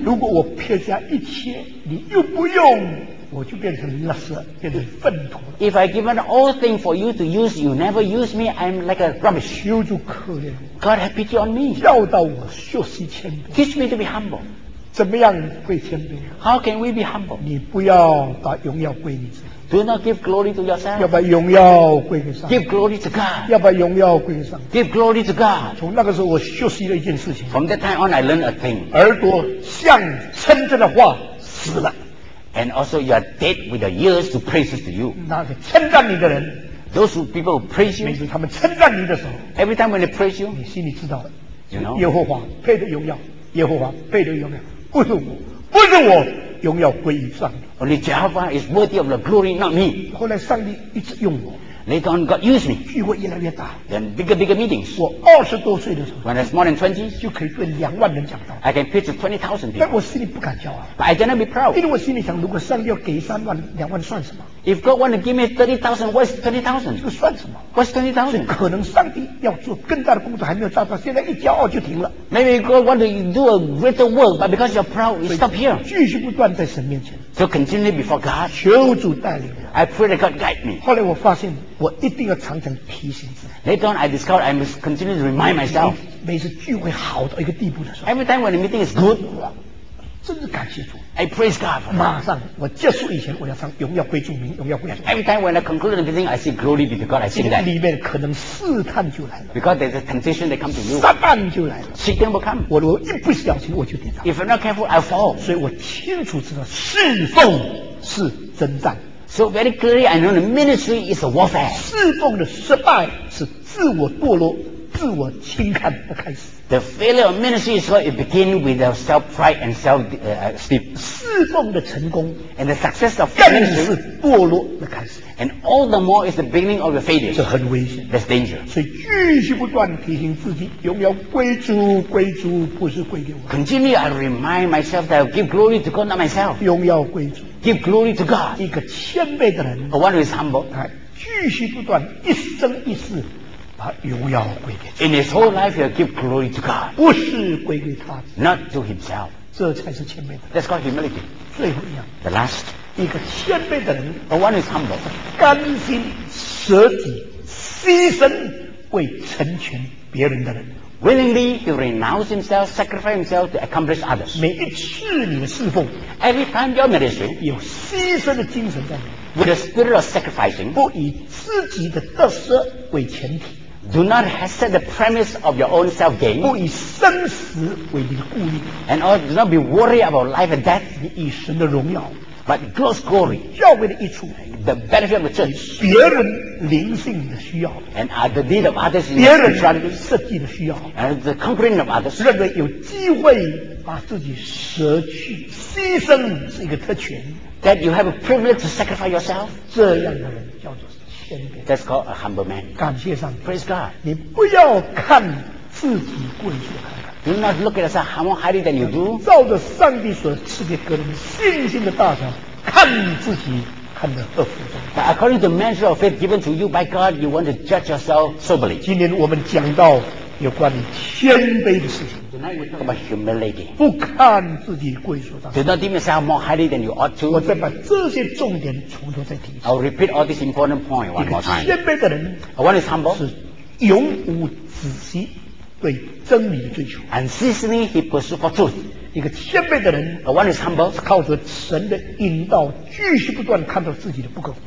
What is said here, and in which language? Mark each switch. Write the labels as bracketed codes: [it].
[zh] 如果我撇下一切，你又不用，我就变成垃圾，变成粪土了。 [en] If I given all things for you to use, you never use me. I'm like a rubbish. [zh] 求主可怜。 [en] God have pity on me. [zh] 教导我学习谦卑。 [en] Teach me to be humble. [zh] 怎么样会谦卑 [en] ？How can we be humble? [zh] 你不要把荣耀归你自己。 [en] Do not give glory to yourself. [zh] 要把荣耀归给上帝。 [en] Give glory to God. [zh] 要把荣耀归给上帝。 [en] Give glory to God. [zh] 从那个时候，我学习了一件事情。 [en] From that time on, I learned a thing. [zh] 耳朵向称赞的话死了。 [en] And also, you are dead with the ears to praises to you. [zh] 那个称赞你的人。 [en] Those who people who praise you. [zh] 每次他们称赞你的时候。 [en] Every time when they praise you. [zh] 你心里知道。 [en] You know. [zh] 耶和华配得荣耀。耶和华配得荣耀。不是我，不是我，荣耀归于上帝。 [en] Only Jehovah is worthy of the glory, not me. [zh] 后来上帝一直用我。 [en] Later on, God used me. [zh] 聚会越来越大。 [en] Then bigger meetings. [zh] 我二十多岁的时候。 [en] When I was more than 20, [zh] 就可以对两万人讲道。 [en] I can preach to 20,000 people. [zh] 但我心里不敢骄傲。 [en] But I cannot be proud. [zh] 因为我心里想，如果上帝要给三万、两万，算什么？ [en] If God want to give me 30,000, what's 20,000? [zh] 这个算什么 [en] ？What's 20,000? [zh] 可能上帝要做更大的工作，还没有达到，现在一骄傲就停了。 [en] Maybe God want to do a greater work, but because you're proud, you stop here. [zh] 继续不断在神面前。 [en] So continue before God. [zh] 求主带领。 [en] I pray that God guide me. [zh] 后来我发现，我一定要常常提醒自己。 [en] Later on, I discovered I must continue to remind myself. [zh] 每次聚会好到一个地步的时候。 [en] Every time when the meeting is good. [zh] 真是感谢主 [en] ！I praise God。 [zh] 马上，我结束以前，我要唱《荣耀归主名》，荣耀归主。 [en] Every time when I conclude the meeting, I say glory be to God. I sing that。 [zh] 里面可能试探就来了。 [en] Because there's a temptation that comes to you。 [zh] 撒旦就来了。 [en] Satan will come。 [zh] 我一不小心我就跌倒。 [en] If I'm not careful, I fall。 [zh] 所以我清楚知道侍奉是征战。 [en] So very clearly, I know the ministry is a warfare。 [zh] 侍奉的失败是自我堕落、自我轻看的开始。 [en] The failure of ministry is what it begins with the self-pride and self-esteem. [zh] 侍奉的成功 [en] And the success of [zh] ministry 更是堕落的开始 [en] And all the more is the beginning of the failure. [zh] 这很危险 [en] That's danger. [zh] 所以继续不断提醒自己荣耀归主归主不是归给我 [en] Continue I remind myself that I give glory to God not myself. [zh] 荣耀归主 [en] Give glory to God. [zh] 一个谦卑的人 [en] A one who is humble. [zh] 他继续不断一生一世把荣耀归给他。 [en] In his whole life, he'll give glory to God. [zh] 不是归给他。 [en] Not to himself. [zh] 这才是谦卑的。 [en] That's called humility. [zh] 最后一样。 [en] The last. [zh] 一个谦卑的人。 [en] A one is humble. [zh] 甘心舍己牺牲为成全别人的人。 [en] Willingly, he renounce himself, sacrifice himself to accomplish others. [zh] 每一次你的侍奉。 [en] Every time your ministry. [zh] 有牺牲的精神在里面。 [en] With a spirit of sacrificing, [zh] 不以自己的得失为前提。 [en] Do not set the premise of your own self gain. [zh] 不以生死为你的顾虑。 [en] And also do not be worried about life and death. [zh] 你以神的荣耀。 [en] But God's glory. [zh] 教会的益处。 [en] The benefit of the church. [zh] 别人灵性的需要。 [en] And are the need of others. [zh] 别人设计的需要。 [en] And the conquering of others. [zh] 认为有机会把自己舍去牺牲是一个特权。 [en] That you have a privilege to sacrifice yourself. [zh] 这样的人叫做谦卑。 [en] That's called a humble man. [zh] 感谢上帝。 [en] Praise God. [zh] 你不要看自己过去的看法。 [en] Do not look at yourself how much higher than you do. [zh] 照着上帝所赐给个人信心的大小，看自己看得合乎。 [en] But according to the measure of faith given to you by God, you want to judge yourself soberly. [zh] 今天我们讲到有关于谦卑的事情。 [en] Tonight we're talking about humility. [zh] 不看自己贵属的。 [en] Do not deem yourself more highly than you ought to. [zh] 我再把这些重点从头再提。 [en] I'll repeat all these important points one more time. [zh] 谦卑的人 [en] ，one is humble， [zh] 是永无止息对真理的追求。 [en] Unceasingly he pursues for truth. [zh] 一个谦卑的人 [en] ，one is humble， [zh] 是靠着神的引导，继续不断看到自己的不够。